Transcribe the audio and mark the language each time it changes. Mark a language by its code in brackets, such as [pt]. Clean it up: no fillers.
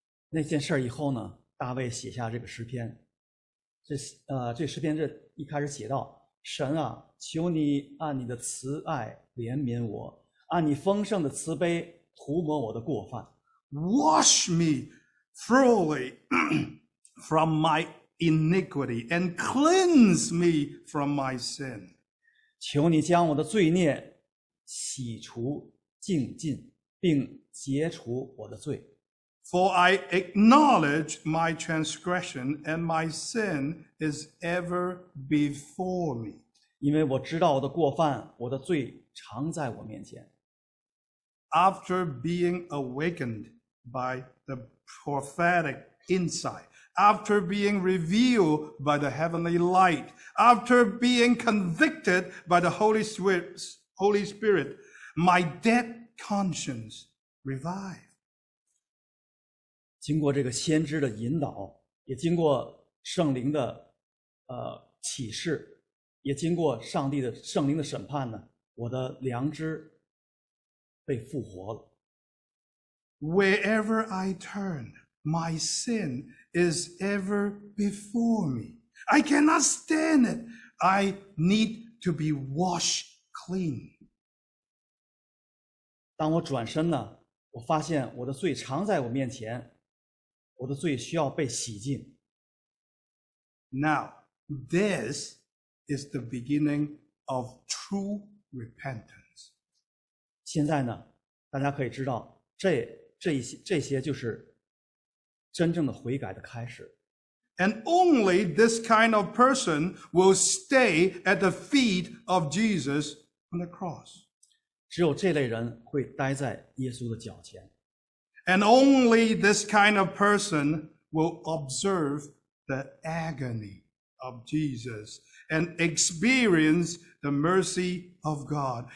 [zh] 那件事以后呢，大卫写下这个诗篇。这诗篇这一开始写到，神啊，求你按你的慈爱怜悯我，按你丰盛的慈悲涂抹我的过犯。 [en] Wash me. Thoroughly from my iniquity and cleanse me from my sin. [zh] 求你将我的罪孽洗除净尽，并洁除我的罪。 [en] For I acknowledge my transgression and my sin is ever before me. [zh] 因为我知道我的过犯，我的罪常在我面前。 [en] After being awakened, by the prophetic insight, after being revealed by the heavenly light, after being convicted by the Holy Spirit, my dead conscience revived. [zh] 经过这个先知的引导，也经过圣灵的启示，也经过上帝的圣灵的审判呢，我的良知被复活了。 [en] Wherever I turn, my sin is ever before me. I cannot stand it. I need to be washed clean. [zh] 当我转身呢，我发现我的罪常在我面前，我的罪需要被洗净。 [en] Now, this is the beginning of true repentance. [zh] 现在呢，大家可以知道这些就是真正的悔改的开始。 [en] And only this kind of person will stay at the feet of Jesus on the cross. [zh] 只有这类人会待在耶稣的脚前。 [en] And only this kind of person will observe the agony of Jesus and experience the mercy of God.